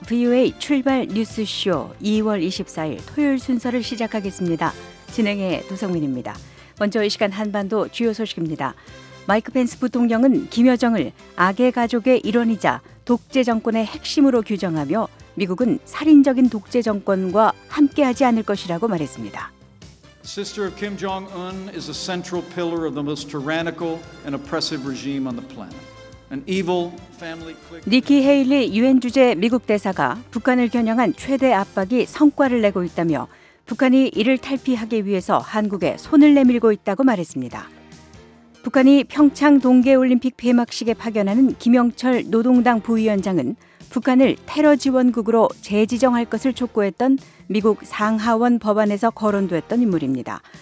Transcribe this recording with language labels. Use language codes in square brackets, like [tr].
[ko] VOA 출발 뉴스쇼 2월 24일 토요일 순서를 시작하겠습니다. 진행의 노성민입니다. 먼저 이 시간 한반도 주요 소식입니다. 마이크 펜스 부통령은 김여정을 악의 가족의 일원이자 독재 정권의 핵심으로 규정하며 미국은 살인적인 독재 정권과 함께하지 않을 것이라고 말했습니다. [en] Sister of Kim Jong-un is a central pillar of the most tyrannical and oppressive regime on the planet. [ko] 니키 헤일리 유엔 주재 미국 대사가 북한을 겨냥한 최대 압박이 성과를 내고 있다며 북한이 이를 탈피하기 위해서 한국에 손을 내밀고 있다고 말했습니다. 북한이 평창 동계올림픽 폐막식에 파견하는 김영철 노동당 부위원장은 북한을 테러 지원국으로 재지정할 것을 촉구했던 미국 상하원 법안에서 거론됐던 인물입니다.